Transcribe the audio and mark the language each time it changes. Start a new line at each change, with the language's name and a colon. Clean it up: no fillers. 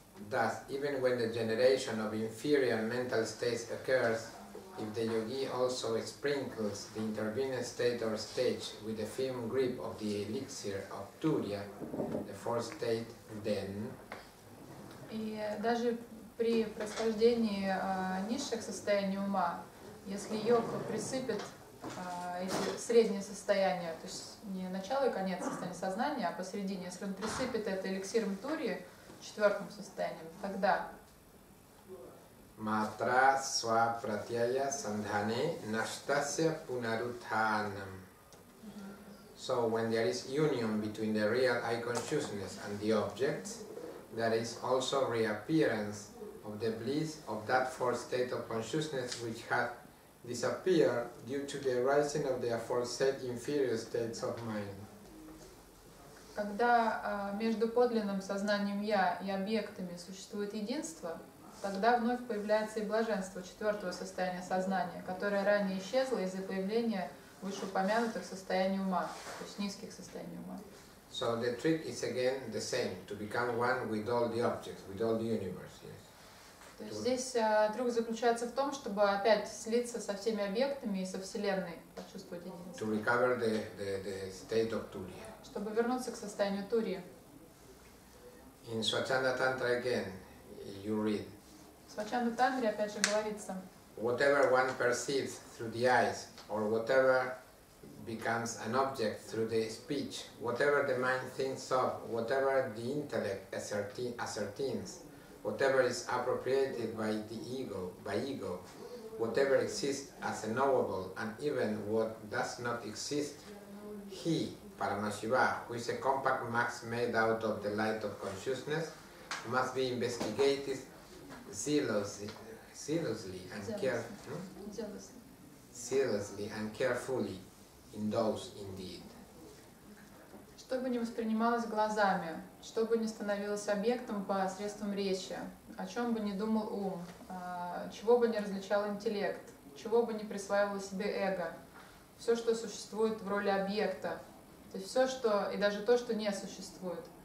English: Thus, even when the generation of inferior mental states occurs, if the yogi also sprinkles the intervening state or stage with a firm grip of the elixir of Turiya, the fourth state, then.
Russian: И даже при происхождении низших состояний ума, если йог присыпет эти средние состояния, то есть не начало и конец состояния сознания, а посередине, если он присыпет это эликсиром Турии, четвертым состоянием, тогда...
Sanskrit: Матра сва пратьяя сандхане наштася пунарутханам.
English: So when there is union between the real eye consciousness and the object, there is also reappearance of the bliss of that fourth state of consciousness which had disappeared due to the arising of the aforesaid inferior states of mind.
Russian: Когда между подлинным сознанием Я и объектами существует единство, тогда вновь появляется и блаженство четвертого состояния сознания, которое ранее исчезло из-за появления вышеупомянутых состояний ума, то есть низких состояний ума.
English: So the trick is again the same, to become one with all the objects, with all the universe, yes.
Russian: То есть здесь трюк заключается в том, чтобы опять слиться со всеми объектами и со Вселенной, почувствовать единство.
English: To recover the state of Turiya.
Russian: Чтобы вернуться к состоянию Турии.
English: In Svachanda Tantra again, you read.
Russian: В Свачанда Тантре опять же говорится.
English: Whatever one perceives through the eyes, or whatever becomes an object through the speech, whatever the mind thinks of, whatever the intellect ascertains, whatever is appropriated by the ego, whatever exists as a knowable, and even what does not exist, he, Paramashiva, who is a compact mass made out of the light of consciousness, must be investigated zealously and carefully. In those indeed.
Russian: Что бы ни воспринималось глазами, что бы ни становилось объектом посредством речи, о чем бы ни думал ум, чего бы ни различал интеллект, чего бы ни присваивало себе эго, все, что существует в роли объекта, то есть все, что и даже то, что не существует,